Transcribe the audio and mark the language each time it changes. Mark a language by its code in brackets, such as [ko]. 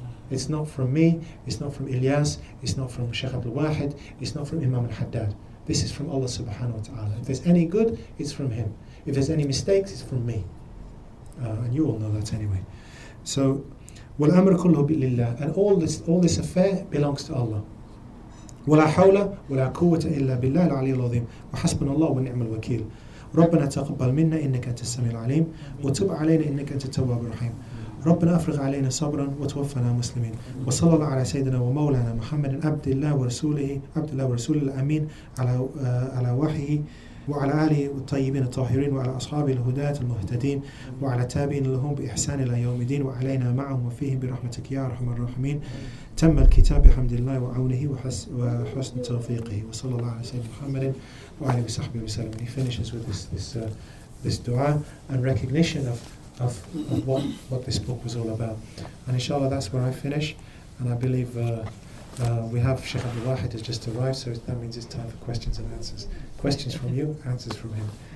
[en] It's not from me, it's not from Ilyas, it's not from Sheikh Abdul Wahid, it's not from Imam Al-Haddad. This is from Allah subhanahu wa ta'ala. If there's any good, it's from him. If there's any mistakes, it's from me. And you all know that anyway. So [ar] والأمر كله لله, [en] and all this affair belongs to Allah. [ar] ولا حول ولا قوة إلا بالله العلي العظيم وحسبنا الله ونعم الوكيل. ربنا تقبل منا إنك أنت السميع العليم وتب علينا إنك أنت التواب الرحيم. ربنا أفرغ علينا صبرا وتوفنا مسلمين. وصلى الله على سيدنا ومولانا محمد عبد الله ورسوله, عبد الله ورسوله الأمين, على وحيه وعلى آله الطيبين الطاهرين وعلى أصحابه الهداة المهتدين وعلى تابعين لهم بإحسان إلى يوم الدين وعلينا معهم وفيهم برحمتك يا أرحم الراحمين. تم الكتاب بحمد الله وعونه وحسن توفيقه, وصلى الله على سيدنا محمد وعلى وصحبه وسلم. [en] He finishes with this dua and recognition of what this book was all about. And inshallah that's where I finish, and I believe we have Sheikh Abdul Wahid has just arrived, so that means it's time for questions and answers. Questions from you, answers from him.